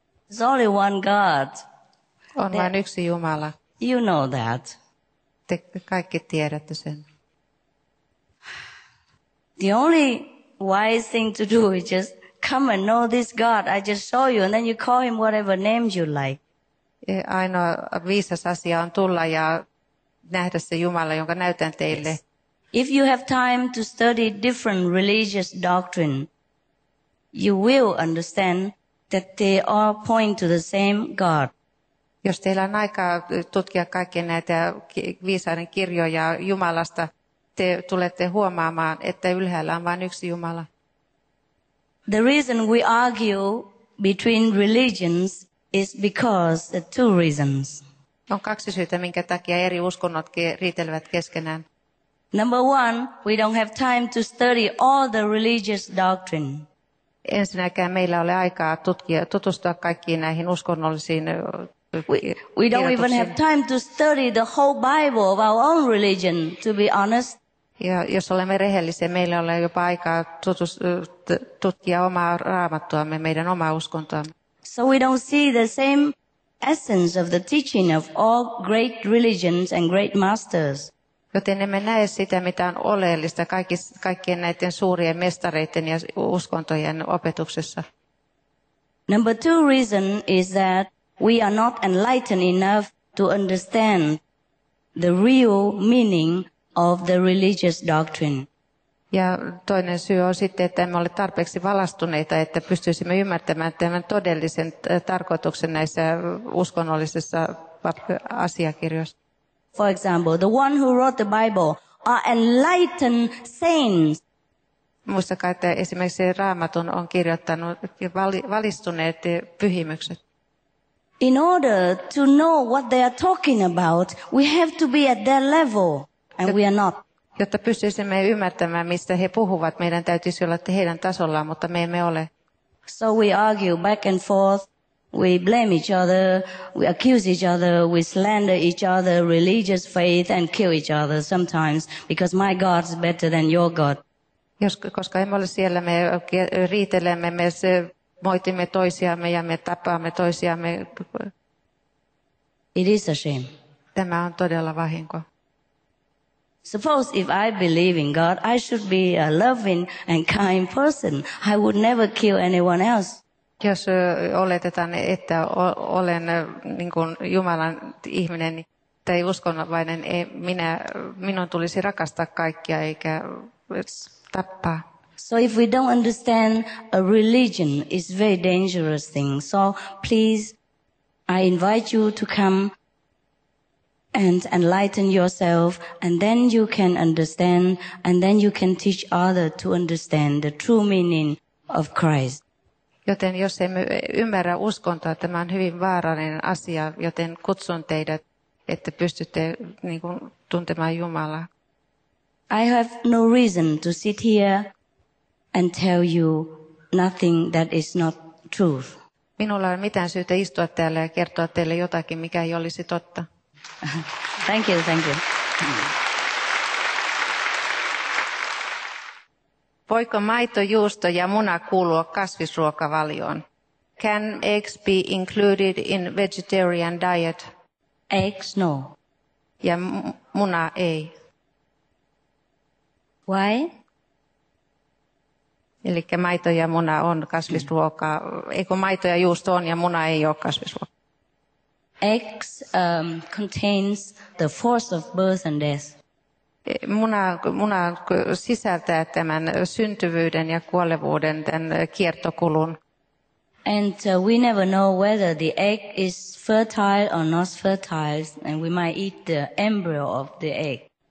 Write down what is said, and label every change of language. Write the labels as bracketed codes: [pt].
[en] There's only one God. [fi] On vain yksi Jumala. [en] You know that. [fi] Te kaikki tiedätte sen. [en] The only wise thing to do is just come and know this God. I just show you, and then you call him whatever name you like. [fi] Ainoa viisas asia on tulla ja nähdä se Jumala, jonka näytän teille. [en] If you have time to study different religious doctrine, you will understand that they all point to the same God. [fi] Jos teillä on aikaa tutkia kaikkia näitä viisaiden kirjoja Jumalasta, te tulette huomaamaan, että ylhäällä on vain yksi Jumala. [en] The reason we argue between religions is because of two reasons. [fi] On kaksi syytä, minkä takia eri uskonnot riitelevät keskenään. [en] Number one, we don't have time to study all the religious doctrine. [fi] Ensinnäkään meillä ei ole aikaa tutustua kaikkiin näihin uskonnollisiin. [en] We don't even have time to study the whole Bible of our own religion, to be honest. [fi] Ja jos olemme rehellisiä, meillä ei ole jopa aikaa tutkia omaa raamattuamme, meidän omaa uskontoamme. [en] So we don't see the same essence of the teaching of all great religions and great masters. [fi] Joten emme näe sitä, mitä on oleellista kaikkien näiden suurien mestareiden ja uskontojen opetuksessa. [en] Number two reason is that we are not enlightened enough to understand the real meaning of the religious doctrine. [fi] Ja toinen syy on sitten, että emme ole tarpeeksi valastuneita, että pystyisimme ymmärtämään tämän todellisen tarkoituksen näissä uskonnollisissa asiakirjoissa. [en] For example, the one who wrote the Bible are enlightened saints. [fi] Muistakaa, että esimerkiksi Raamatun on kirjoittanut valistuneet pyhimykset. [en] In order to know what they are talking about, we have to be at their level, and we are not. [fi] Jotta pystyisimme ymmärtämään, mistä he puhuvat, meidän täytyisi olla heidän tasollaan, mutta me emme ole. [en] So we argue back and forth, we blame each other, we accuse each other, we slander each other, religious faith, and kill each other sometimes, because my God is better than your God. [fi] Koska emme ole siellä, me riitelemme, me moitimme toisiamme ja me tapaamme toisiamme. [en] It is a shame. [fi] Tämä on todella vahinko. [en] Suppose if I believe in God, I should be a loving and kind person. I would never kill anyone else. [fi] Jos oletetaan, että olen niin kuin Jumalan ihminen tai uskonnollinen, minun tulisi rakastaa kaikkia eikä tappaa. [en] So if we don't understand a religion, it's a very dangerous thing. So please, I invite you to come and enlighten yourself, and then you can understand, and then you can teach others to understand the true meaning of Christ. [fi] Joten jos emme ymmärrä uskontoa, tämä on hyvin vaarallinen asia, joten kutsun teidät, että pystytte niin kuin tuntemaan Jumalaa. [en] I have no reason to sit here and tell you nothing that is not truth. [fi] Minulla ei ole mitään syytä istua täällä ja kertoa teille jotakin, mikä ei olisi totta. [en] Thank you, thank you. [fi] Voiko maito, juusto ja muna kuulua kasvisruokavalioon? [en] Can eggs be included in vegetarian diet? Eggs, no. [fi] Ja muna ei. [en] Why? [fi] Eli maito ja muna on kasvisruokaa. Eikö maito ja juusto on ja muna ei ole kasvisruokaa? [en] Eggs contains the force of birth and death. [fi] Muna sisältää tämän syntyvyyden ja kuolevuuden tämän kiertokulun. [en] And we never know whether the egg is fertile or not fertile, and we might eat the embryo of the egg.